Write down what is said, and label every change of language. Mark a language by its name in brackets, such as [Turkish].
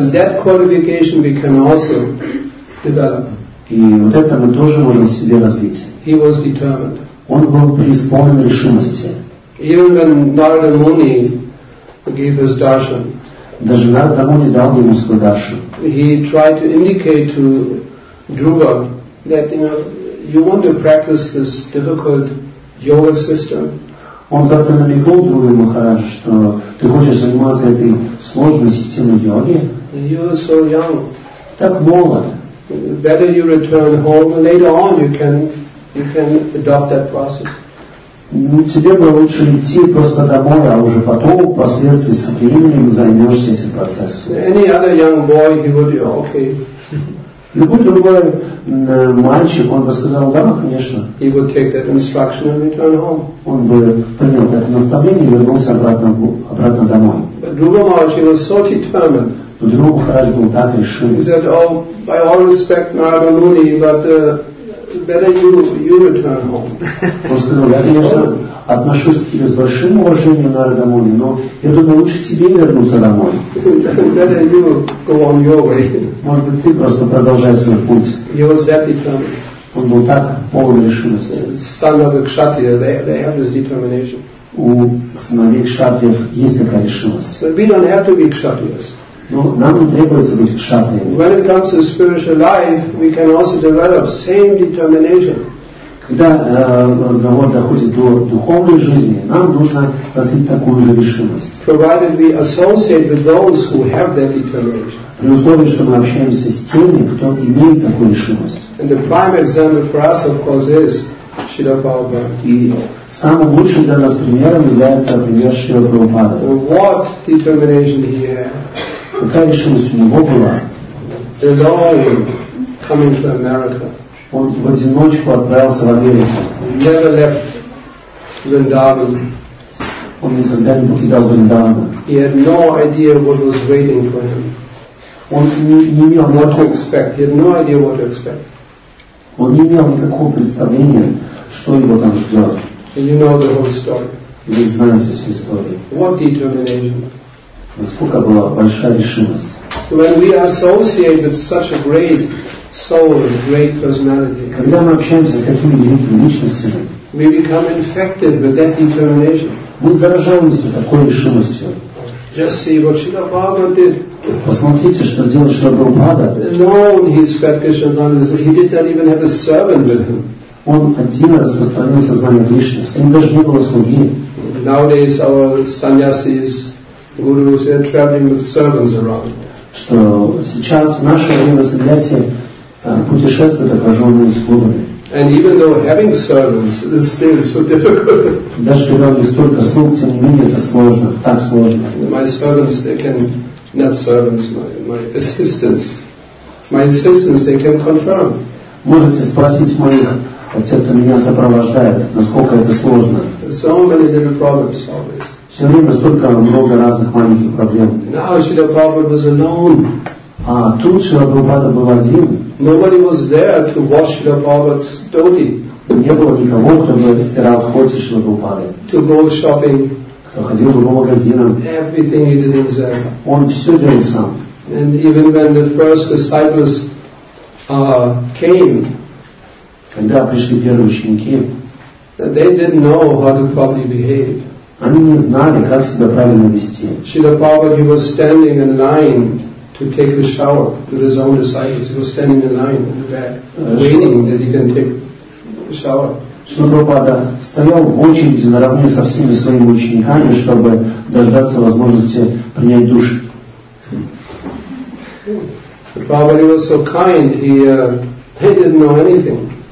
[English] And that qualification we can also develop. [Russian] И вот это мы тоже можем в себе развить. [English] He was determined. [Russian] Он был преисполнен решимости. [English] Even when Narada Muni gave his darshan. [Russian] Даже Нарада Муни дал ему свой даршан. [English] He tried to indicate to Dhruva that, you know, you want to practice this difficult yoga system. [Russian] Он как-то намекнул Дхруве Махараджу, что ты хочешь заниматься этой сложной системой йоги. [English] You are so young. [Russian] Так молод. [English] Better you return home, and later on you can adopt that process. [Russian] Ну, тебе бы лучше идти просто домой, а уже потом, впоследствии, со временем займешься этим процессом. [English] Any other young boy, he would, okay. [Russian] Любой другой мальчик, он бы сказал, да, конечно. [English] He would take that instruction and return home. [Russian] Он бы принял это наставление и вернулся обратно домой. [English] But Dhruva Maharaj, he was so determined. [Russian] Но Dhruva Maharaj был так решен. [English] He said, oh, by all respect, Narada Muni, but better you return home. [Russian] Он сказал, я, конечно, отношусь к тебе с большим уважением, Нарада Муни, но я думаю, лучше тебе вернуться домой. [English] Better you go on your way. [Russian] Может быть, ты просто продолжай свой путь. [English] He was that determined. [Russian] Он был так полон решимости. [English] Son of a Kshatriya, they have this determination. [Russian] У сыновей Кшатриев есть такая решимость. [English] But we don't have to be Kshatriyas. [Russian] Но нам не требуется быть кшатриями. [English] When it comes to spiritual life, we can also develop same determination. [Russian] Когда разговор доходит до духовной жизни, нам нужно развить такую же решимость. [English] Provided we associate with those who have that determination. [Russian] При условии, что мы общаемся с теми, кто имеет такую решимость. [English] And the prime example for us, of course, is Śrīla Prabhupāda. [Russian] И самым лучшим для нас примером является пример Śrīla Prabhupāda. [English] What determination he had. [Russian] Какая решимость у него была? [English] Alone coming to America. [Russian] Он в одиночку отправился в Америку. [English] Never left Vrindavan. [Russian] Он никогда не покидал Вриндавана. [English] He had no idea what was waiting for him. [Russian] Он не имел [English] what to expect. He had no idea what to expect. [Russian] Он не имел никакого представления, что его там ждет. [English] And you know the whole story. [Russian] Вы знаете всю историю. [English] What determination? [Russian] Насколько была большая решимость. [English] When we associate with such a great soul, a great personality. [Russian] Когда мы общаемся с такими великими личностями. [English] We become infected with that determination. [Russian] Мы заражаемся такой решимостью. [English] Just see what Srila Prabhupada did. [Russian] Посмотрите, что сделал Шрила Прабхупада. [English] Alone he spread Krishna consciousness. He did not even have a servant with him. [Russian] Он один раз распространил сознание Кришны. С ним даже не было слуги. [English] Nowadays our sannyasis, gurus, are traveling with servants around. [Russian] Что сейчас в наше время сандьяси путешествуют окруженные слугами. [English] And even though having servants is still so difficult. [Russian] Даже когда у них столько слуг, тем не менее это сложно, так сложно. [English] My servants, they can not servants, my assistants. My assistants, they can confirm. [Russian] Можете спросить моих, те, кто меня сопровождает, насколько это сложно. [English] So many different problems always. [Russian] Все время столько много разных маленьких проблем. [English] Now Srila Prabhupada was alone. [Russian] А тут Шрила Прабхупада был один. [English] Nobody was there to wash Srila Prabhupada's dhoti. [Russian] Не было никого, кто бы стирал ходьи Шрила Прабхупады. [English] To go shopping. [Russian] Кто ходил по магазинам. [English] Everything he did himself. [Russian] Он все делал сам. [English] And even when the first disciples came. [Russian] Когда пришли первые ученики. [English] They didn't know how to properly behave. [Russian] Они не знали, как себя правильно вести. [English] Srila Prabhupada, he was standing in line. To take a shower with his own disciples. He was standing in line in the back, waiting that he can take a shower. [Russian] Шрила Прабхупада стоял в очереди наравне со всеми своими учениками, чтобы дождаться возможности принять душ. [English] The Prabhupada was so kind, he didn't know anything.